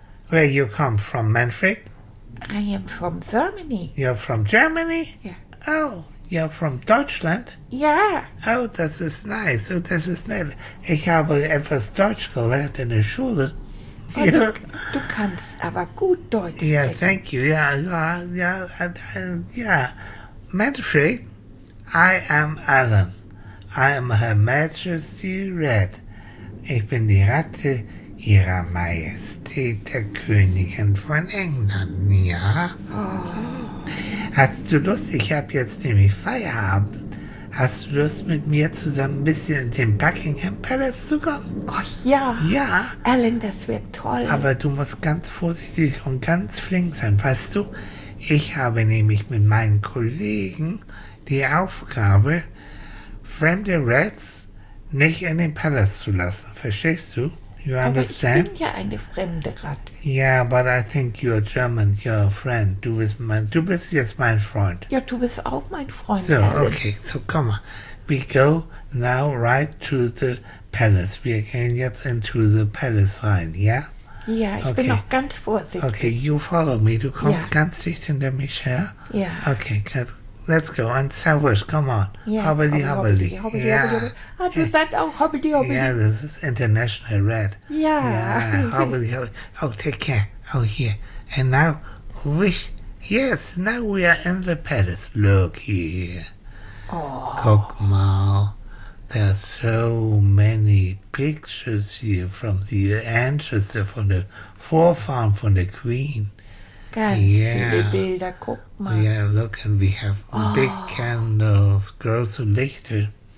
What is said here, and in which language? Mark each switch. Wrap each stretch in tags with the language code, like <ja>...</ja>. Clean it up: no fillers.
<en>Where you come from, Manfred? I am from Germany. You're from Germany? Yeah. Oh, you're from Deutschland? Yeah. Oh, this is nice. Oh, this is nice.</en> <de>Ich habe etwas Deutsch gelernt in der Schule. Oh, ja. Du kannst aber gut Deutsch sprechen.</de> <en>Yeah, thank you. Yeah. Manfred, I am Alan. I am Her Majesty Red.</en> <de>Ich bin die Ratte Ihrer Majestät, der Königin von England, ja? Oh. Hast du Lust, ich habe jetzt nämlich Feierabend, hast du Lust, mit mir zusammen ein bisschen in den Buckingham Palace zu kommen? Oh ja. Ja. Alan, das wird toll. Aber du musst ganz vorsichtig und ganz flink sein, weißt du? Ich habe nämlich mit meinen Kollegen die Aufgabe, fremde Rats nicht in den Palace zu lassen, verstehst du?</de> <en>You understand?</en> <de>Aber ich bin ja eine fremde Ratte.</de> <en>Yeah, but I think you're German, you're a friend.</en> <de>Du bist jetzt mein Freund. Ja, du bist auch mein Freund.</de> <en>So, okay, so come on. We go now right to the palace.</en> <de>Wir gehen jetzt</de> <en>into the palace</en> <de>rein, ja?</de> <en>Yeah?</en> <de>Ja, ich okay. Bin auch ganz vorsichtig.</de> <en>Okay, you follow me.</en> <de>Du kommst ja. Ganz dicht hinter mich her. Ja.</de> <en>Okay, good. Let's go and servus, come on. Hobbly hobbly.</en> <de>Ah, du sagst auch hobbly hobbly.</de> <en>Yeah, this is international red. Yeah. Hobbly hobbly. Oh, take care. Oh, here. And now, now we are in the palace. Look here. Oh.</en> <de>Guck mal.</de> <en>There are so many pictures here from the ancestor, from the forefarm, from the queen.</en> <de>Ganz viele Bilder, guck mal.</de> <en>Yeah, look, and we have big candles,</en> <de>große Lichter.</de>